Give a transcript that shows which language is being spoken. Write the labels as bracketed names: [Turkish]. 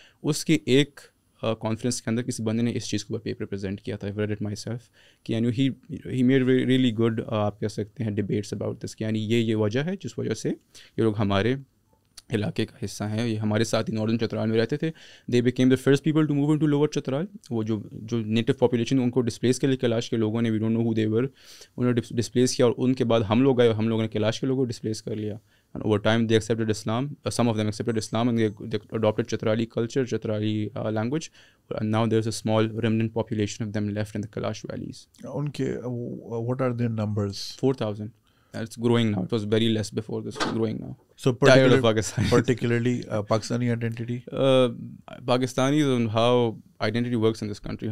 [Urdu] اس کے ایک کانفرنس کے اندر کسی بندے نے اس چیز کو پیپر پریزنٹ کیا تھا, [English] read it myself, [Urdu] کہ یعنی [English] he made really good [Urdu] آپ کہہ سکتے ہیں [English] debates about this, [Urdu] کہ یعنی یہ وجہ ہے جس وجہ سے یہ لوگ ہمارے علاقے کا حصہ ہیں, یہ ہمارے ساتھ ہی ناردرن چترال میں رہتے تھے. [English] They became the first people to move in to lower Chitral. [Urdu] وہ جو نیٹو پاپولیشن ان کو ڈسپلیس کے لیے کیلاش کے لوگوں نے, [English] we don't know who they were, [Urdu] انہوں نے ڈسپلیس کیا اور ان کے بعد ہم لوگ آئے, ہم لوگوں نے کیلاش کے لوگوں کو ڈسپلیس کر لیا. [English] And over time they accepted Islam, some of them accepted Islam, and they adapted Chitrali culture, Chitrali language. Now there is a small remnant population of them left in the Kalash valleys. ان کے what are their numbers? 4,000. It's growing now. It was very less before this. It's growing now. So particularly Pakistani identity? Pakistanis and how identity works in this country.